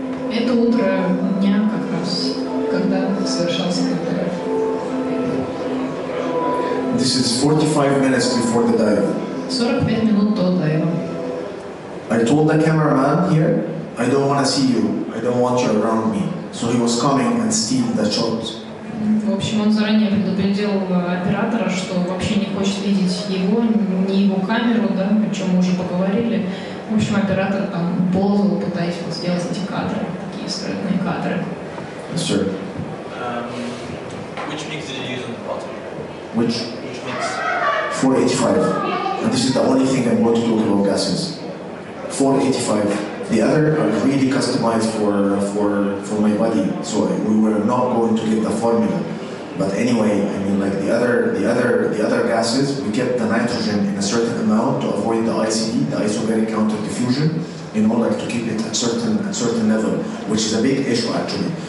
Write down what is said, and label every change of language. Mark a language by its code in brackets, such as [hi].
[ru] Это утро дня как раз. Когда совершался [en] дайв. This is 45 minutes before the dive. [ru] 45 минут до дайва. [en] I told the cameraman here, I don't want to see you. I don't want you around me. So he was coming and steal the shots. [ru] В общем, он заранее предупредил оператора, что вообще не хочет видеть его, ни его камеру, да, о чем мы уже поговорили. В общем, оператор там ползал, пытаясь вот сделать эти кадры, такие скрытные кадры. [en] Yes, sir. Which mix did you use on the bottom? Which mix? 485. And this is the only thing I'm going to talk about gases. 485. The other are really customized for my body. So we were not going to get the formula. But anyway, I mean, like the other gases, we kept the nitrogen in a certain amount to avoid the ICD, the isobaric counter diffusion, in order to keep it at certain level, which is a big issue actually.